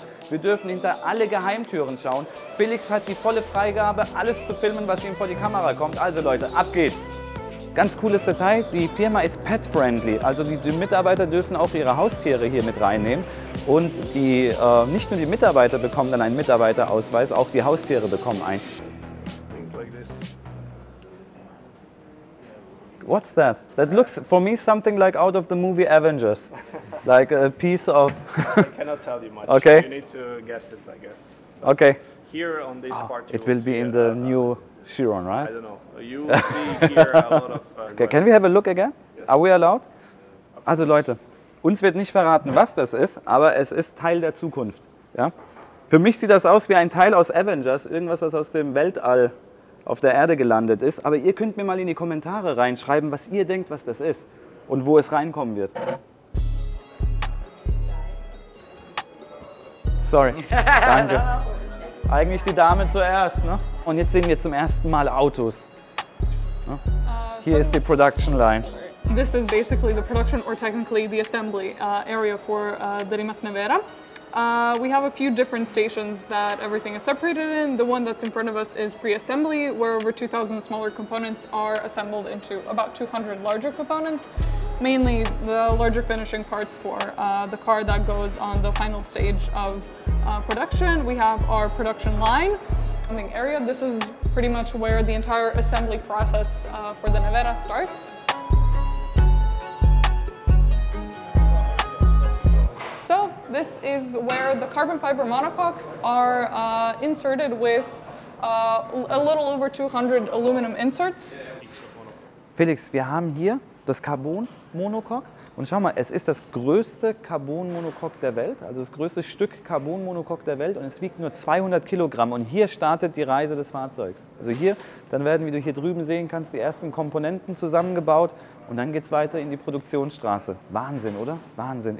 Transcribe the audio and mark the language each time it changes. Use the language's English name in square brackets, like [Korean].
[German] Wir dürfen hinter alle Geheimtüren schauen. Felix hat die volle Freigabe, alles zu filmen, was ihm vor die Kamera kommt. Also Leute, ab geht's. Ganz cooles Detail, die Firma ist pet-friendly, also die Mitarbeiter dürfen auch ihre Haustiere hier mit reinnehmen und die, nicht nur die Mitarbeiter bekommen dann einen Mitarbeiterausweis, auch die Haustiere bekommen einen. [English] What's that? That looks for me something like out of the movie Avengers, like a piece of... I cannot tell you much, okay. You need to guess it, I guess. But okay. Here on this part it will be in the new... Chiron, right? I don't know. You see here a lot of... Okay, can we have a look again? Yes. Are we allowed? [German] Also Leute, uns wird nicht verraten, was das ist, aber es ist Teil der Zukunft. Ja? Für mich sieht das aus wie ein Teil aus Avengers, irgendwas, was aus dem Weltall auf der Erde gelandet ist. Aber ihr könnt mir mal in die Kommentare reinschreiben, was ihr denkt, was das ist und wo es reinkommen wird. Sorry. Danke. Eigentlich die Dame zuerst, ne? Und jetzt sehen wir zum ersten Mal Autos. Hier ist die Production Line. [English] This is basically the production or technically the assembly area for the Rimac Nevera. We have a few different stations that everything is separated in. The one that's in front of us is pre-assembly, where over 2,000 smaller components are assembled into about 200 larger components, mainly the larger finishing parts for the car that goes on the final stage of production. We have our production line, assembling area. This is pretty much where the entire assembly process for the Nevera starts. So This is where the carbon fiber monocoques are inserted with a little over 200 aluminum inserts. [German] Felix, wir haben hier das Carbon-Monocoque. Und schau mal, es ist das größte Carbon-Monocoque der Welt, also das größte Stück Carbon-Monocoque der Welt, und es wiegt nur 200 Kilogramm. Und hier startet die Reise des Fahrzeugs. Also hier, dann werden, wie du hier drüben sehen kannst, die ersten Komponenten zusammengebaut und dann geht es weiter in die Produktionsstraße. Wahnsinn, oder? Wahnsinn.